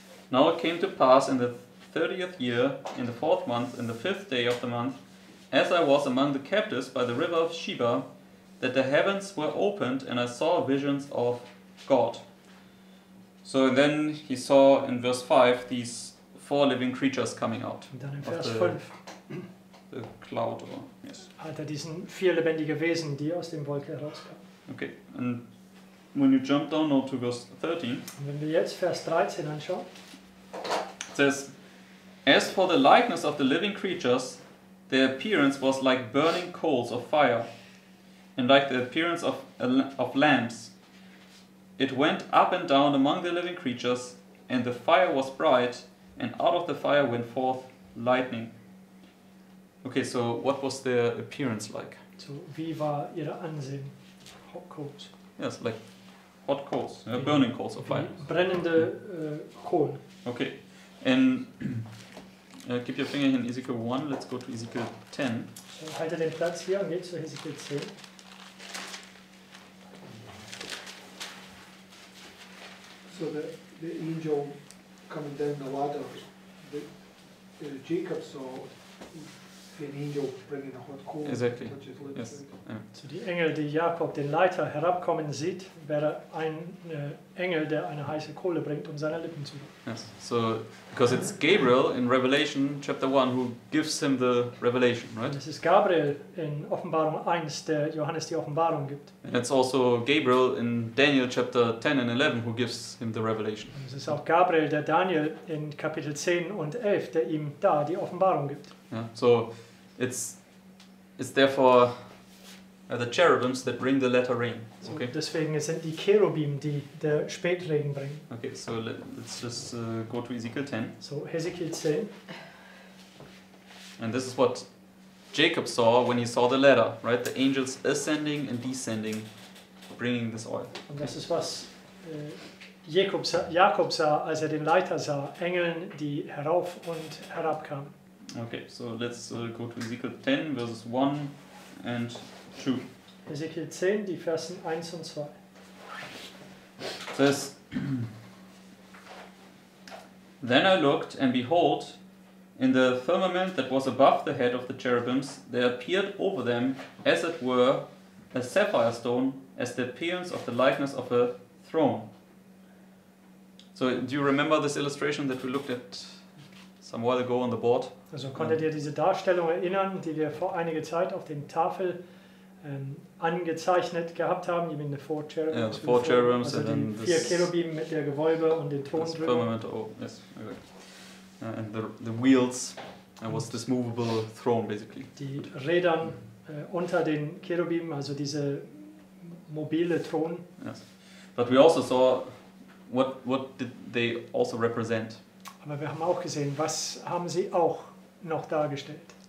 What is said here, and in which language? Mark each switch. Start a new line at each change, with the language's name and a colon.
English: Now it came to pass in the 30th year, in the 4th month, in the 5th day of the month, as I was among the captives by the river of Sheba, that the heavens were opened, and I saw visions of God. So then he saw in verse 5 these 4 living creatures coming out.
German: Und dann in Vers 5.
English: The cloud, or yes.
German: Hat er diesen 4 lebendige Wesen, die aus dem Wolke herauskamen.
English: Okay, and when you jump down now to verse 13.
German: Und wenn wir jetzt Vers 13 anschauen.
English: It says, as for the likeness of the living creatures, their appearance was like burning coals of fire, and like the appearance of lamps. It went up and down among the living creatures, and the fire was bright, and out of the fire went forth lightning. Okay, so what was their appearance like?
German: So, wie war ihr Ansehen?
English: Hot coals. Yes, like hot coals, burning coals of fire.
German: Brennende Kohlen.
English: Okay, and keep your finger here in Ezekiel 1, let's go to Ezekiel 10.
German: So, halte den Platz hier und geh zu Ezekiel 10.
English: So, the angel coming down the ladder, Jacob saw an angel bringing a hot coal. Exactly. Yes. Yeah.
German: So, die Engel, die Jakob den Leiter herabkommen sieht, wäre ein Engel, der eine heiße Kohle bringt, um seine Lippen zu machen.
English: Yes. So, because it's Gabriel in Revelation chapter 1 who gives him the revelation, right?
German: Und es ist Gabriel in Offenbarung 1, der Johannes die Offenbarung gibt.
English: And it's also Gabriel in Daniel chapter 10 and 11 who gives him the revelation.
German: Und es ist auch Gabriel, der Daniel in Kapitel 10 und 11, der ihm da die Offenbarung gibt.
English: Yeah. So, it's therefore the cherubims that bring the latter rain. So okay.
German: Deswegen sind die Cherubim, die der Spätregen bringen.
English: Okay, so let's just go to Ezekiel 10. So, Ezekiel 10. And this is what Jacob saw when he saw the ladder, right? The angels ascending and descending, bringing this oil.
German: Und das ist was Jakob sah, als den Leiter sah, Engeln, die herauf und herab kamen.
English: Okay, so let's go to Ezekiel 10, verses 1 and 2.
German: Ezekiel 10, die Versen 1 und 2.
English: It says, Then I looked, and behold, in the firmament that was above the head of the cherubims, there appeared over them, as it were, a sapphire stone as the appearance of the likeness of a throne. So do you remember this illustration that we looked at some while ago on the board?
German: Also konntet ihr diese Darstellung erinnern, die wir vor einiger Zeit auf den Tafel angezeichnet gehabt haben,
English: you mean the four cherubims? Yeah, the four cherubims, also and the
German: vier Cherubim mit der Gewölbe und den Thron drin.
English: Firmament, oh, yes, okay. And the wheels, that was this movable throne, basically.
German: Die Rädern unter den Cherubim, also diese mobile Thron.
English: Yes, but we also saw, what did they also represent?
German: Aber wir haben auch gesehen, was haben sie auch noch dargestellt?